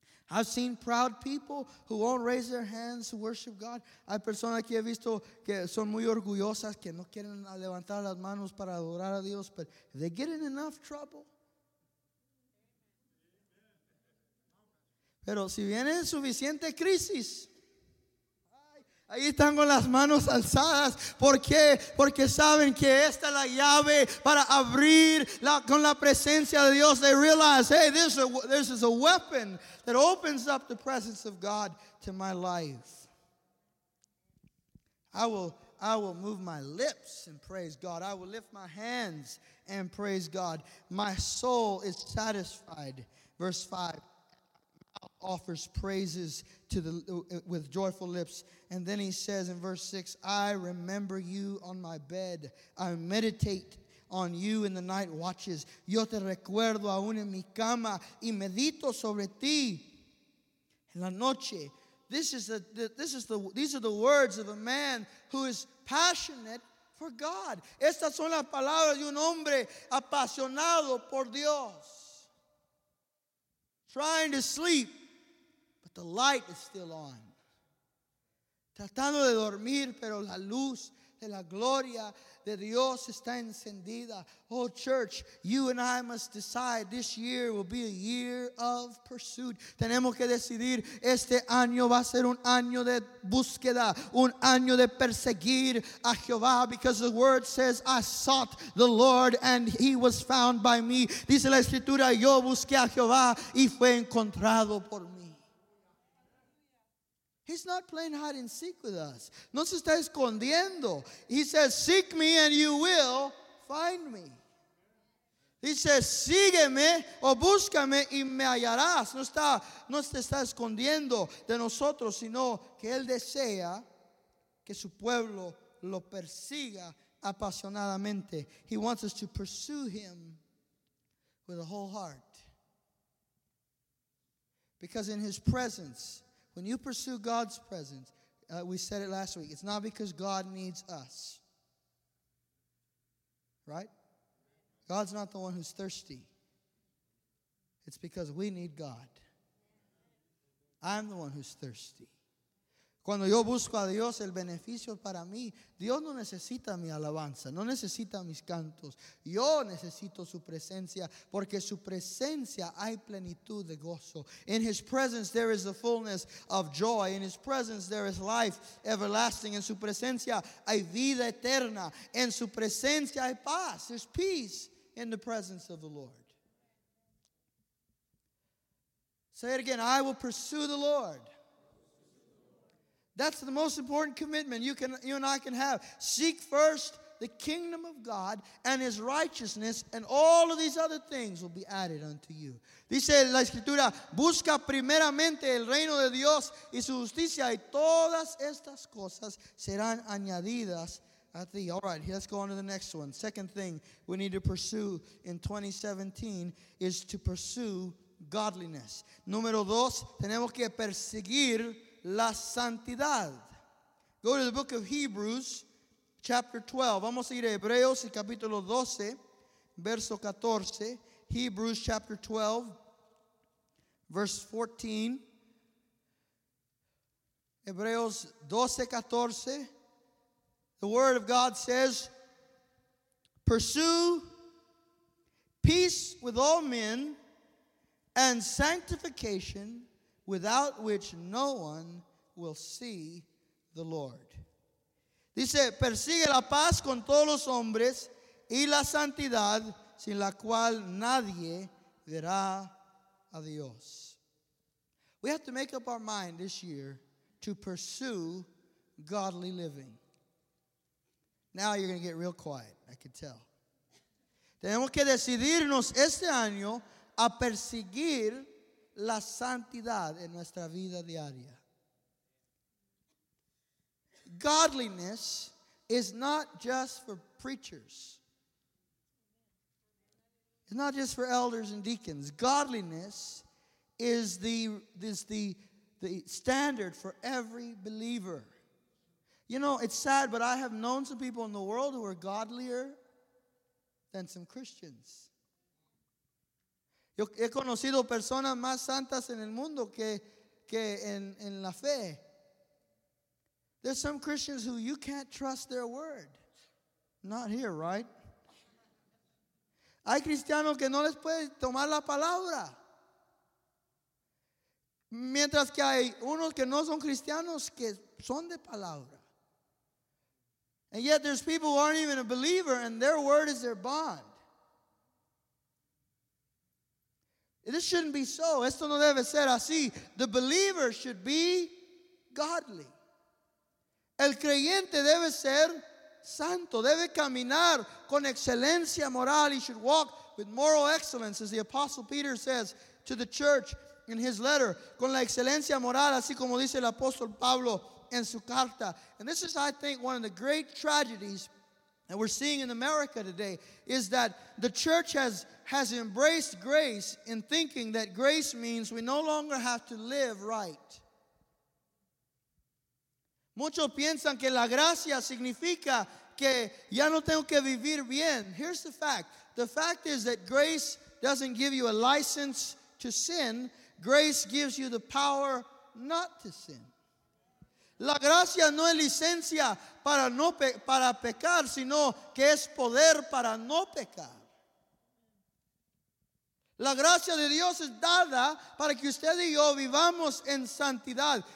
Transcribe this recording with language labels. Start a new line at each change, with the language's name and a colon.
English: I've seen proud people who won't raise their hands to worship God.
Spanish: Hay personas que he visto que son muy orgullosas, que no quieren levantar las manos para adorar a Dios.
English: But if they get in enough trouble,
Spanish: pero si viene suficiente crisis, ahí están con las manos alzadas. ¿Por qué? Porque saben que esta es la llave para abrir con la presencia de Dios.
English: They realize, hey, this is a weapon that opens up the presence of God to my life. I will move my lips and praise God. I will lift my hands and praise God. My soul is satisfied. Verse 5. Offers praises to the with joyful lips. And then he says in verse 6, I remember you on my bed. I meditate on you in the night watches.
Spanish: Yo te recuerdo aún en mi cama y medito sobre ti en la noche.
English: These are the words of a man who is passionate for God.
Spanish: Estas son las palabras de un hombre apasionado por Dios.
English: Trying to sleep, but the light is still on.
Spanish: Tratando de dormir, pero la luz de la gloria de Dios está encendida.
English: Oh, church, you and I must decide this year will be a year of pursuit.
Spanish: Tenemos que decidir, este año va a ser un año de búsqueda, un año de perseguir a Jehová,
English: because the word says, I sought the Lord and he was found by me.
Spanish: Dice la escritura, yo busqué a Jehová y fue encontrado por mí.
English: He's not playing hide and seek with us.
Spanish: No se está escondiendo.
English: He says, seek me and you will find me. He says,
Spanish: sígueme o búscame y me hallarás. No se está escondiendo de nosotros, sino que él desea que su pueblo lo persiga apasionadamente.
English: He wants us to pursue him with a whole heart. Because in his presence, when you pursue God's presence, we said it last week, it's not because God needs us. Right? God's not the one who's thirsty. It's because we need God. I'm the one who's thirsty.
Spanish: Cuando yo busco a Dios, el beneficio para mí, Dios no necesita mi alabanza, no necesita mis cantos. Yo necesito su presencia, porque su presencia hay plenitud de gozo.
English: In his presence there is the fullness of joy. In his presence there is life everlasting.
Spanish: En su presencia hay vida eterna. En su presencia hay paz.
English: There's peace in the presence of the Lord. Say it again, I will pursue the Lord. That's the most important commitment you and I can have. Seek first the kingdom of God and his righteousness, and all of these other things will be added unto you.
Spanish: Dice la escritura, busca primeramente el reino de Dios y su justicia, y todas estas cosas serán añadidas a ti.
English: All right, let's go on to the next one. Second thing we need to pursue in 2017 is to pursue godliness.
Spanish: Número dos, tenemos que perseguir la santidad.
English: Go to the book of Hebrews, chapter 12.
Spanish: Vamos a ir a Hebreos, capítulo 12, verso 14.
English: Hebrews, chapter 12, verse 14.
Spanish: Hebreos 12, 14.
English: The word of God says, pursue peace with all men and sanctification, without which no one will see the Lord.
Spanish: Dice, persigue la paz con todos los hombres y la santidad, sin la cual nadie verá a Dios.
English: We have to make up our mind this year to pursue godly living. Now you're going to get real quiet, I can tell.
Spanish: Tenemos que decidirnos este año a perseguir la santidad en nuestra vida diaria.
English: Godliness is not just for preachers. It's not just for elders and deacons. Godliness is the standard for every believer. You know, it's sad, but I have known some people in the world who are godlier than some Christians.
Spanish: Yo he conocido personas más santas en el mundo que en la fe.
English: There's some Christians who you can't trust their word. Not here, right?
Spanish: Hay cristianos que no les puede tomar la palabra. Mientras que hay unos que no son cristianos que son de palabra.
English: And yet there's people who aren't even a believer and their word is their bond. This shouldn't be so.
Spanish: Esto no debe ser así.
English: The believer should be godly.
Spanish: El creyente debe ser santo, debe caminar con excelencia moral.
English: He should walk with moral excellence, as the Apostle Peter says to the church in his letter.
Spanish: Con la excelencia moral, así como dice el Apostle Pablo en su carta.
English: And this is, I think, one of the great tragedies that we're seeing in America today, is that the church has embraced grace in thinking that grace means we no longer have to live right.
Spanish: Muchos piensan que la gracia significa que ya no tengo que vivir bien.
English: Here's the fact. The fact is that grace doesn't give you a license to sin. Grace gives you the power not to sin.
Spanish: La gracia no es licencia para no para pecar, sino que es poder para no pecar. La gracia de Dios es dada para que usted y yo vivamos en santidad.